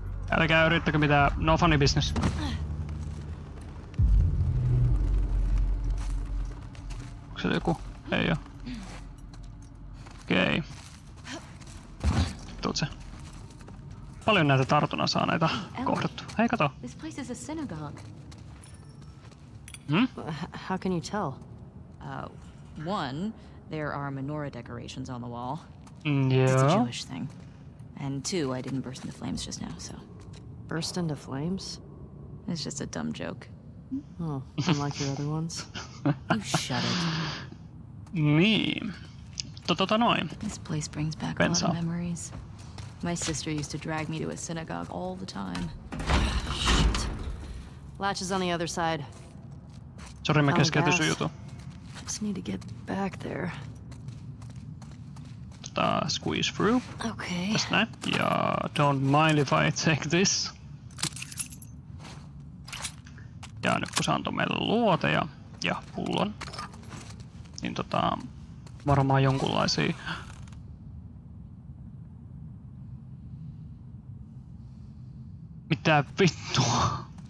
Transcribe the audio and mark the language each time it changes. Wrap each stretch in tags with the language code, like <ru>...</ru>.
<fi>Älkää yrittäkö mitään,</fi> <en>no funny business.</en> <fi>Onks se joku? Ei oo. Okei. Okay. Tuut se. Paljon näitä tartunnan saa näitä kohdattu. Hei kato.</fi> <en>This place is a synagogue. Hmm? How can you tell? One, there are menorah decorations on the wall. Yeah. It's a Jewish thing. And two, I didn't burst into flames just now, so. Burst into flames? It's just a dumb joke. Oh, unlike your other ones. You shut it.</en> <fi>Niin. Noin.</fi> <en>This place brings back a lot of memories. My sister used to drag me to a synagogue all the time. Shit. Latches on the other side.</en> <fi>Sorry, mä keskeytin sun jutu.</fi> <en>I just need to get back there. Squeeze through. Okay. Just that. Yeah, don't mind if I take this.</en> <fi>Ja nyt kun se antoi meille luote ja pullon, niin varmaan jonkunlaisia. Mitä vittua?</fi>